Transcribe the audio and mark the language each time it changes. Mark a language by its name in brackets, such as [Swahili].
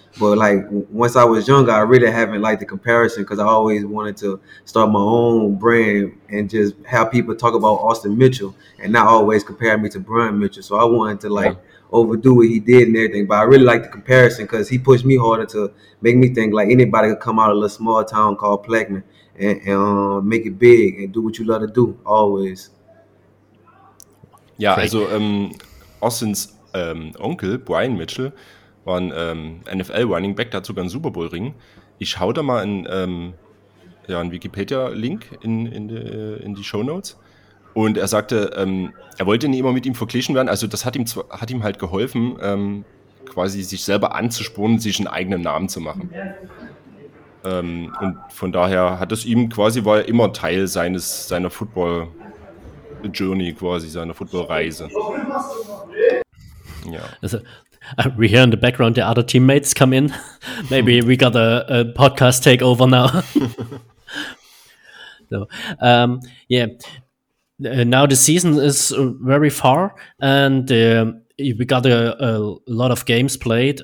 [English] But like once I was younger, I really haven't liked the comparison, because I always wanted to start my own brand and just have people talk about Austin Mitchell and not always compare me to Brian Mitchell. So I wanted to like overdo what he did and everything. But I really liked the comparison because he pushed me harder to make me think like anybody could come out of a little small town called Plaquemine and make it big and do what you love to do always. [German] Ja, also Austins Onkel, Brian Mitchell, war ein NFL-Running Back, der hat sogar einen Super Bowl-Ring. Ich hau da mal einen Wikipedia-Link in die Shownotes. Und er sagte, er wollte nicht immer mit ihm verglichen werden. Also das hat ihm halt geholfen, quasi sich selber anzuspornen, sich einen eigenen Namen zu machen. Und von daher hat es ihm quasi, war er immer Teil seiner [English] Football Journey, [German] quasi seiner Football-Reise. Ja. [English] Also, we hear in the background the other teammates come in. Maybe we got a podcast takeover now. So, now the season is very far, and we got a lot of games played.